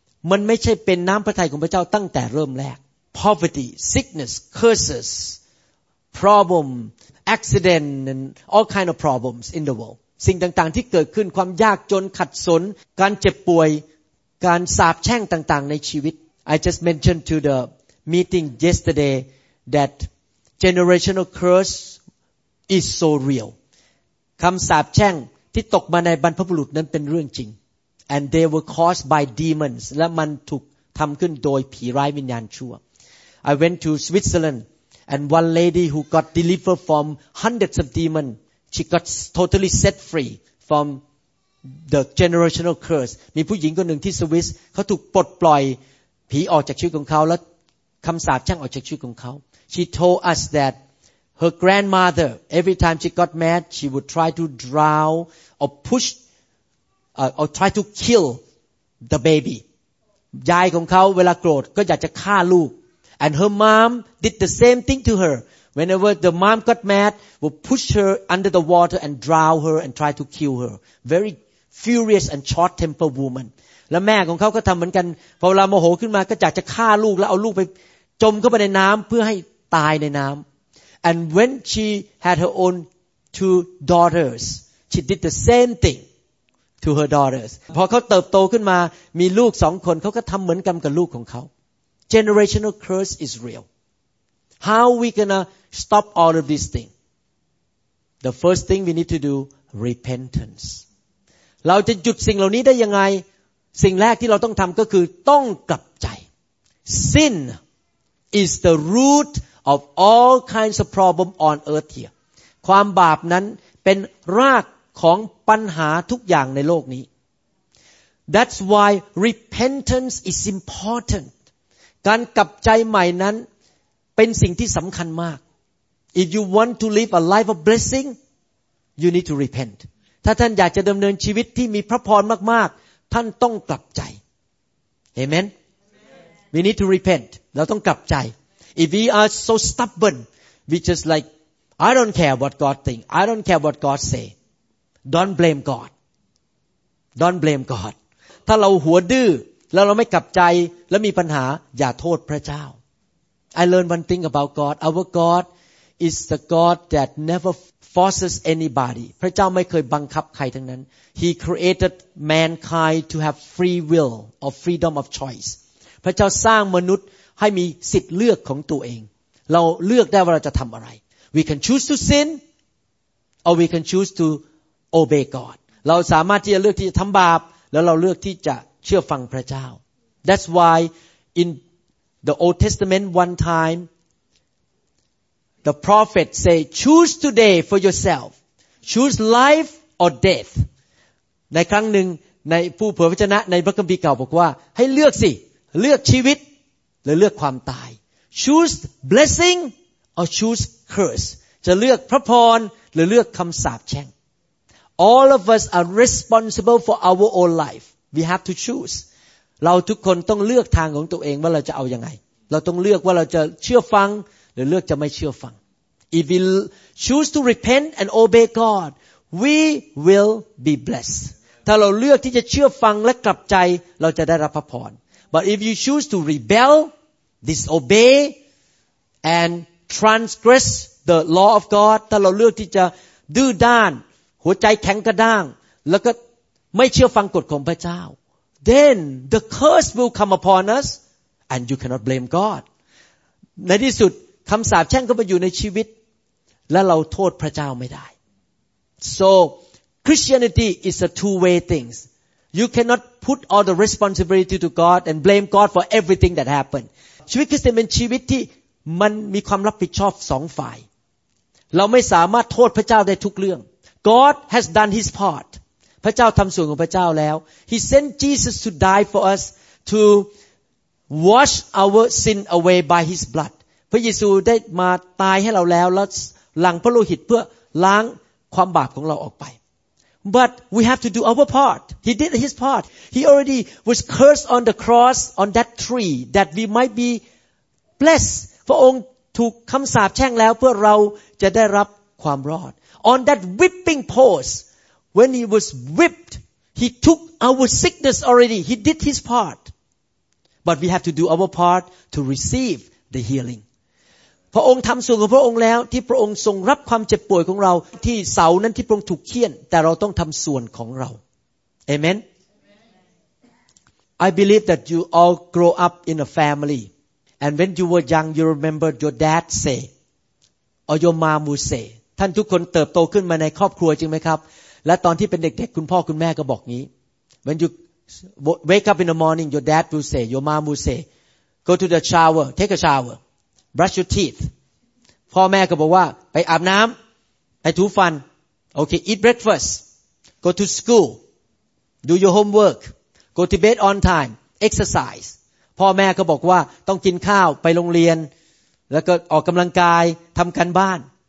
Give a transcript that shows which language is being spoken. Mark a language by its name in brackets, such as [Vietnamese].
[Thai] มันไม่ใช่เป็นน้ำพระทัยของพระเจ้าตั้งแต่เริ่มแรก [English] Poverty sickness cursesproblem accident and all kind of problems in the world [Thai] สิ่งต่างๆที่เกิดขึ้นความยากจนขัดสนการเจ็บป่วยการสาปแช่งต่างๆในชีวิต [English] I just mentioned to the meeting yesterday that generational curse is so real [Thai] คำสาปแช่งที่ตกมาในบรรพบุรุษนั้นเป็นเรื่องจริง [English] and they were caused by demons [Thai] และมันถูกทำขึ้นโดยผีร้ายวิญญาณชั่ว [English] I went to Switzerland And one lady who got delivered from hundreds of demons, she got totally set free from the generational curse. [Thai] มีผู้หญิงคนหนึ่งที่สวิสเขาถูกปลดปล่อยผีออกจากชีวิตของเขาและคำสาปแช่งออกจากชีวิตของเขา [English] She told us that her grandmother, every time she got mad, she would try to drown or push, or try to kill the baby. [Thai] ยายของเขาเวลาโกรธก็อยากจะฆ่าลูก [English] And her mom did the same thing to her. Whenever the mom got mad, would push her under the water and drown her and try to kill her. Very furious and short-tempered woman. [Thai] และแม่ของเขาก็ทำเหมือนกันพอเวลาโมโหขึ้นมาก็อยากจะฆ่าลูกแล้วเอาลูกไปจมเข้าไปในน้ำเพื่อให้ตายในน้ำ [English] And when she had her own two daughters, she did the same thing to her daughters. [Thai] พอเขาเติบโตขึ้นมามีลูกสองคนเขาก็ทำเหมือนกันกับลูกของเขา [English] Generational curse is real. How are we gonna stop all of these things? The first thing we need to do, repentance. [Thai] เราจะหยุดสิ่งเหล่านี้ได้ยังไงสิ่งแรกที่เราต้องทำก็คือต้องกลับใจ [English] Sin is the root of all kinds of problems on earth here. [Thai] ความบาปนั้นเป็นรากของปัญหาทุกอย่างในโลกนี้ [English] That's why repentance is important. [Thai] การกลับใจใหม่นั้นเป็นสิ่งที่สำคัญมาก [English] If you want to live a life of blessing you need to repent [Thai] ถ้าท่านอยากจะดำเนินชีวิตที่มีพระพรมากๆท่านต้องกลับใจ Amen [English] We need to repent [Thai] เราต้องกลับใจ [English] If we are so stubborn we just like I don't care what God think I don't care what God say Don't blame God Don't blame God [Thai] ถ้าเราหัวดื้อแล้วเราไม่กลับใจแล้วมีปัญหาอย่าโทษพระเจ้า [English] I learned one thing about God our God is the God that never forces anybody [Thai] พระเจ้าไม่เคยบังคับใครทั้งนั้น [English] He created mankind to have free will or freedom of choice [Thai] พระเจ้าสร้างมนุษย์ให้มีสิทธิ์เลือกของตัวเองเราเลือกได้ว่าเราจะทำอะไร [English] We can choose to sin or we can choose to obey God [Thai] เราสามารถที่จะเลือกที่จะทำบาปแล้วเราเลือกที่จะเชื่อฟังพระเจ้า [English] That's why in the Old Testament one time the prophet say choose today for yourself choose life or death [Thai] ในครั้งหนึ่งในผู้เผยพระชนะในพระคัมภีร์เก่าบอกว่าให้เลือกสิเลือกชีวิตหรือเลือกความตาย [English] choose blessing or choose curse [Thai] จะเลือกพระพรหรือเลือกคำสาปแช่ง [English] All of us are responsible for our own lifeWe have to choose. [Thai] เราทุกคนต้องเลือกทางของตัวเองว่าเราจะเอายังไงเราต้องเลือกว่าเราจะเชื่อฟังหรือเลือกจะไม่เชื่อฟัง [English] If we choose to repent and obey God, we will be blessed. [Thai] ถ้าเราเลือกที่จะเชื่อฟังและกลับใจเราจะได้รับพระพร [English] But if you choose to rebel, disobey, and transgress the law of God, [Thai] ถ้าเราเลือกที่จะดื้อด้านหัวใจแข็งกระด้างแล้วก็ไม่เชื่อฟังกฎของพระเจ้า [English] then the curse will come upon us and you cannot blame God [Thai] ในที่สุดคำสาปแช่งก็มาอยู่ในชีวิตและเราโทษพระเจ้าไม่ได้ [English] so Christianity is a two way things you cannot put all the responsibility to God and blame God for everything that happened [Thai] ชีวิตคริสเตียนเป็นชีวิตที่มันมีความรับผิดชอบสองฝ่ายเราไม่สามารถโทษพระเจ้าได้ทุกเรื่อง [English] God has done his part [Thai] พระเจ้าทำส่วนของพระเจ้าแล้ว [English] He sent Jesus to die for us to wash our sin away by His blood [Thai] พระเยซูได้มาตายให้เราแล้วแล้วหลั่งพระโลหิตเพื่อล้างความบาปของเราออกไป [English] But we have to do our part He did His part He already was cursed on the cross on that tree that we might be blessed [Thai] พระองค์ถูกคำสาปแช่งแล้วเพื่อเราจะได้รับความรอด [English] On that whipping posteWhen he was whipped, he took our sickness already. He did his part. But we have to do our part to receive the healing. [Thai] พระองค์ทำส่วนของพระองค์แล้วที่พระองค์ทรงรับความเจ็บป่วยของเราที่เสานั้นที่พระองค์ถูกเคี่ยนแต่เราต้องทำส่วนของเรา Amen. [English] I believe that you all grow up in a family. And when you were young, you remember your dad say, or your mom would say. [Thai] ท่านทุกคนเติบโตขึ้นมาในครอบครัวจริงไหมครับและตอนที่เป็นเด็กๆคุณพ่อคุณแม่ก็บอกงี้ [English] When you wake up in the morning your dad will say your mom will say go to the shower take a shower brush your teeth [Thai] พ่อแม่ก็บอกว่าไปอาบน้ำไปถูฟันโอเค [English] eat breakfast go to school do your homework go to bed on time exercise [Thai] พ่อแม่ก็บอกว่าต้องกินข้าวไปโรงเรียนแล้วก็ออกกำลังกายทำการบ้าน